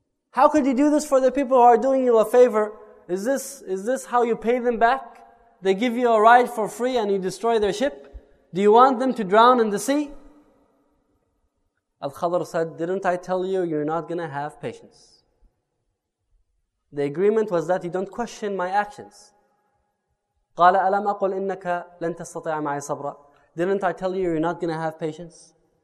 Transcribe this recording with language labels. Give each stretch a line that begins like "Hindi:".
English: How could you do this for the people who are doing you a favor? Is this how you pay them back? They give you a ride for free and you destroy their ship? Do you want them to drown in the sea? Al-Khadr said, "Didn't I tell you you're not going to have patience?" The agreement was that you don't question my actions.
Arabic: قال ألم أقول إنك لن تستطيع معي صبرا.
English: Didn't I tell you you're not going to have patience?